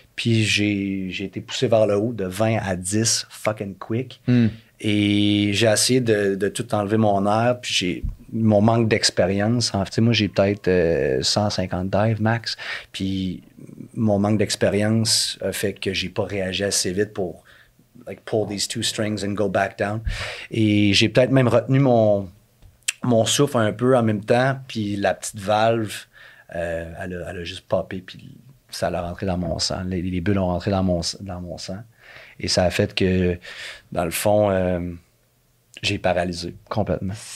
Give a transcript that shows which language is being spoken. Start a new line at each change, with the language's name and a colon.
French: Puis j'ai été poussé vers le haut de 20 à 10
English: fucking quick.
French: Et j'ai essayé de tout enlever mon air, puis j'ai mon manque d'expérience. En fait, moi, j'ai peut-être 150 dives max, puis mon manque d'expérience a fait que j'ai pas réagi assez vite pour
English: like pull these two strings and go back down.
French: Et j'ai peut-être même retenu mon souffle un peu en même temps, puis la petite valve, elle a juste popé, puis ça l'a rentré dans mon sang. Les bulles ont rentré dans mon sang. Et ça a fait que, dans le fond, j'ai paralysé complètement.